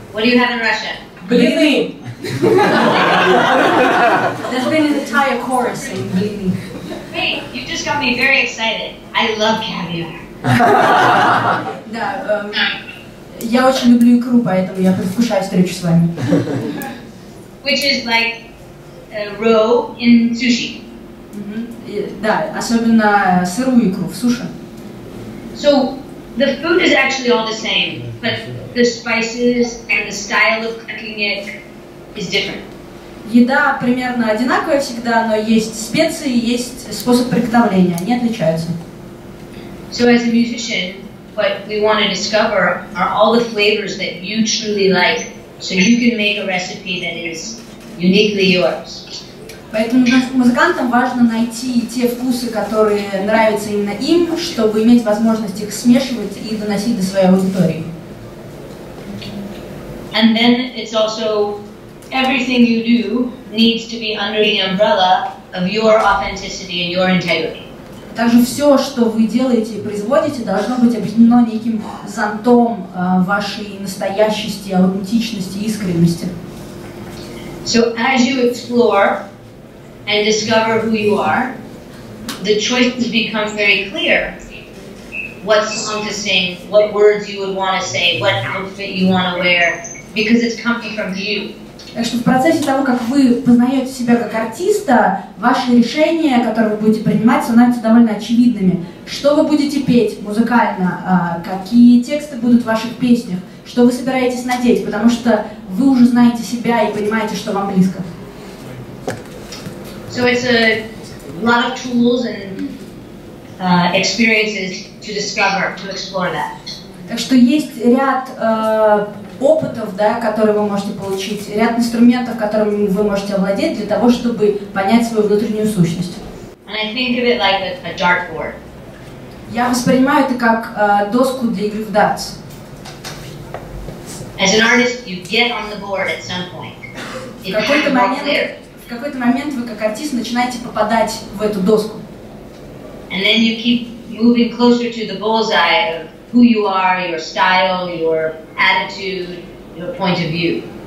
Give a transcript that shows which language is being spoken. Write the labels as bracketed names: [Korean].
[English] What do you have in Russia? [Russian] Блины! [English] There's been an entire chorus saying блины. Hey, you just got me very excited. I love caviar. [Russian] Да, я очень люблю икру, поэтому я предвкушаю встречу с вами. [English] Which is like roe in sushi. [Russian] Да, особенно сырую икру в суши. [English] So... The food is actually all the same, but the spices and the style of cooking it is different. [Russian] Еда примерно одинаковая всегда, но есть специи, есть способ приготовления, они отличаются. [English] So as a musician, what we want to discover are all the flavors that you truly like, so you can make a recipe that is uniquely yours. [Russian] Поэтому музыкантам важно найти те вкусы, которые нравятся именно им, чтобы иметь возможность их смешивать и доносить до своей аудитории. [English] And then it's also everything you do needs to be under the umbrella of your authenticity and your integrity. [Russian] Также все, что вы делаете и производите, должно быть объединено неким зонтом вашей настоящести, аутентичности, искренности. [English] So as you explore and discover who you are, the choices become very clear. What song to sing, what words you would want to say, what outfit you want to wear, because it's coming from you. [Russian] Так что в процессе того, как вы познаете себя как артиста, ваши решения, которые вы будете принимать, становятся довольно очевидными. Что вы будете петь музыкально, какие тексты будут в ваших песнях, что вы собираетесь надеть, потому что вы уже знаете себя и понимаете, что вам близко. [English] So it's a lot of tools and experiences to discover, to explore that. [Russian] Так что есть ряд опытов, да, которые вы можете получить, ряд инструментов, которыми вы можете овладеть для того, чтобы понять свою внутреннюю сущность. [English] And I think of it like a dartboard. [Russian] Я воспринимаю это как доску для игры в дартс. [English] As an artist, you get on the board at some point. [Russian] В какой-то момент. В какой-то момент вы, как артист, начинаете попадать в эту доску. [English] And then you keep moving closer to the bullseye of who you are, your style, your attitude, your point of view.